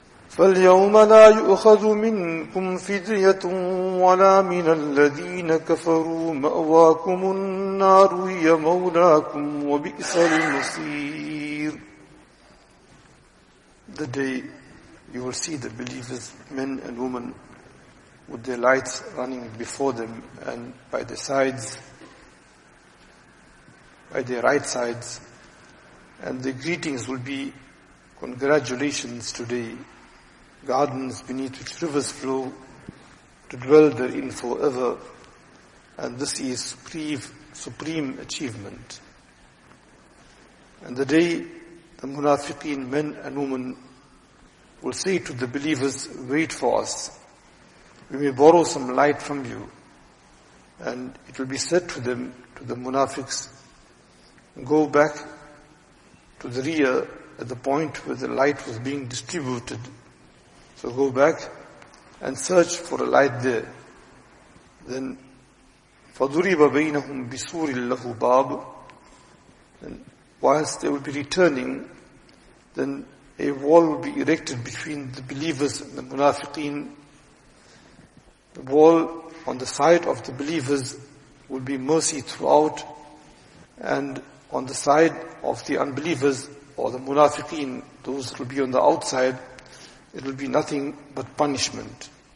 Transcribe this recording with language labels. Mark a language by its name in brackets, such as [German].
[Arabic] فاليوم لا يؤخذ منكم فدية ولا من الذين كفروا مأواكم النار هي مولاكم وبئس المصير. [English] The day you will see the believers, men and women, with their lights running before them and by their sides, by their right sides, and the greetings will be congratulations today, gardens beneath which rivers flow to dwell therein forever, and this is supreme achievement. And the day the munafiqeen, men and women, will say to the believers, wait for us, we may borrow some light from you. And it will be said to them, to the munafiqs, go back to the rear at the point where the light was being distributed. So go back and search for a light there. Then, [Arabic] فَضُرِبَ بَيْنَهُمْ بِسُورِ اللَّهُ بَابُ. [English] And whilst they will be returning, then a wall will be erected between the believers and the munafiqeen. The wall on the side of the believers will be mercy throughout, and on the side of the unbelievers or the munafiqeen, those who will be on the outside, it will be nothing but punishment.